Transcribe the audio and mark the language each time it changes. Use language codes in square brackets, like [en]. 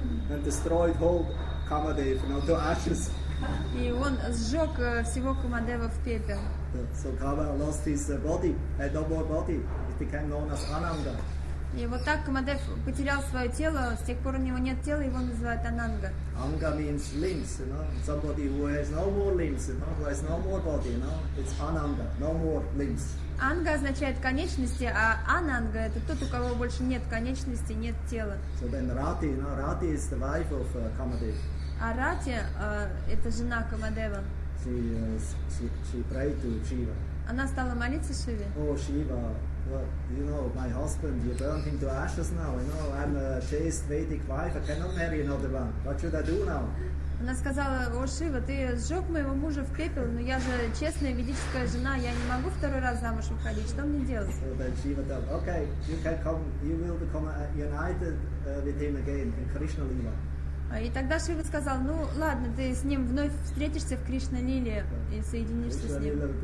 [en] And destroyed whole Kamadev, you know, to ashes. [ru] И он сжег всего Камадева в пепел. [en] So Kama lost his body, a double body. It became known as Ananga. [ru] И вот так Камадев потерял свое тело. С тех пор у него нет тела, его называют Ананга. [en] Anga means limbs, you know. Somebody who has no more limbs, you know, who has no more body, you know. It's Ananga, no more limbs. [ru] Анга означает конечности, а Ананга это тот, у кого больше нет конечностей, нет тела. [en] So then Rati, you know, Rati is the wife of Kamadev. [ru] А Рати это жена Камадева. [en] She prayed to Shiva. [ru] Она стала молиться Шиве. [en] Oh Shiva, well, you know my husband, you burned him to ashes now. You know I'm a chaste Vedic wife. I cannot marry another one. What should I do now? [ru] Она сказала: О Шива, ты сжег моего мужа в пепел, но я же честная ведическая жена, я не могу второй раз замуж уходить. Что мне делать? [en] So then Shiva said, okay, you can come, you will become united with him again in Krishna Lila. [ru] И тогда Шива сказал: ну ладно, ты с ним вновь встретишься в Кришна-лиле и соединишься с ним.